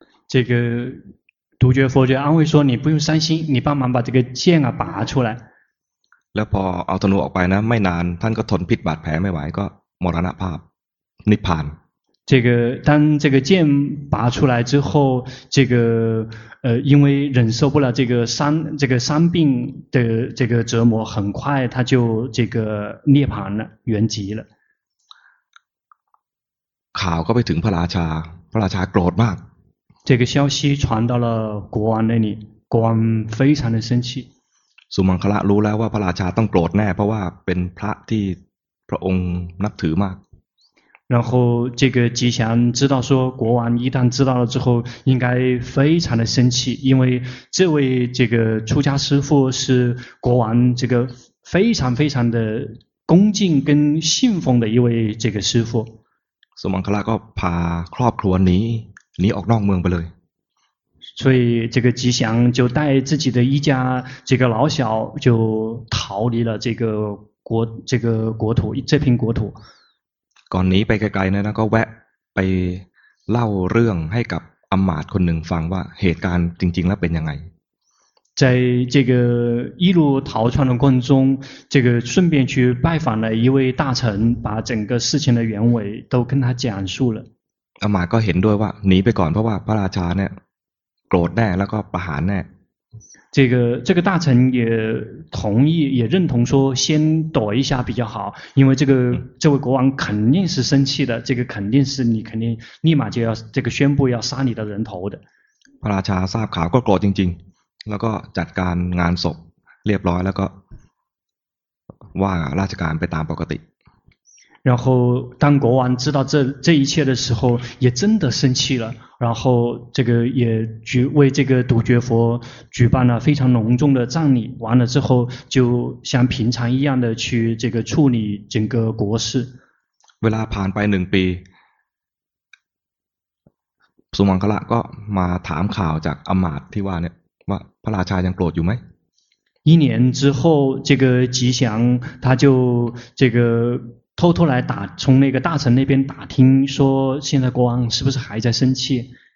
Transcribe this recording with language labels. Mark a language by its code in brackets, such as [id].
[zh] 这个独觉佛就安慰说你不用伤心你帮忙把这个箭啊拔出来 [th] แล้วพอเอาธนูออกไปนะไม่นานท่านก็ทนพิษบาดแผลไม่ไหวก็มรณภาพนิพพาน [zh] 这个当这个剑拔出来之后这个因为忍受不了这个伤病的这个折磨很快他就这个涅槃了圆寂了 [th] ข่าวก็ไปถึงพระราชาพระราชาโกรธมาก [zh] 这个消息传到了国王那里国王非常的生气 [th] สุมังคละรู้แล้วว่าพระราชาต้องโกรธแน่เพราะว่าเป็นพระที่พระองค์นับถือมาก [zh] 然后这个吉祥知道说国王一旦知道了之后应该非常的生气因为这位这个出家师父是国王这个非常非常的恭敬跟信奉的一位这个师父 [th] สุมังคละก็พาครอบครัวหนีออกนอกเมืองไปเลย [zh] 所以这个吉祥就带自己的一家这个老小就逃离了这个国土这片国土 [th] ก่อนหนีไปไกลๆนะก็แวะไปเล่าเรื่องให้กับอำมาตย์คนหนึ่งฟังว่าเหตุการณ์จริงๆแล้วเป็นยังไง [zh] 在这个一路逃窜的过程中这个顺便去拜访了一位大臣把整个事情的原委都跟他讲述了อ [th] ำมาตย์ก็เห็นด้วยว่าหนีไปก่อนเพราะว่าพระราชาเนี่ยโกรธแน่แล้วก็ประหารแน่ [zh] 这个大臣也同意也认同说先躲一下比较好因为这位国王肯定是生气的这个肯定是你肯定立马就要这个宣布要杀你的人头的 [th] พระราชาทราบข่าวก็โกรธจริงๆแล้วก็จัดการงานศพเรียบร้อยแล้วก็ว่าราชการไปตามปกติ [zh] 然后当国王知道这一切的时候也真的生气了然后这个也为这个独觉佛举办了非常隆重的葬礼完了之后就像平常一样的去这个处理整个国事 [th] เวลาผ่านไป1ปีสุมังคละก็มาถามข่าวจากอมาตย์ที่ว่าเนี่ยว่าพระราชายังโกรธอยู่ไหม [zh] 一年之后这个吉祥他就这个偷偷来打从那个大臣那边打听说现在国王是不是还在生气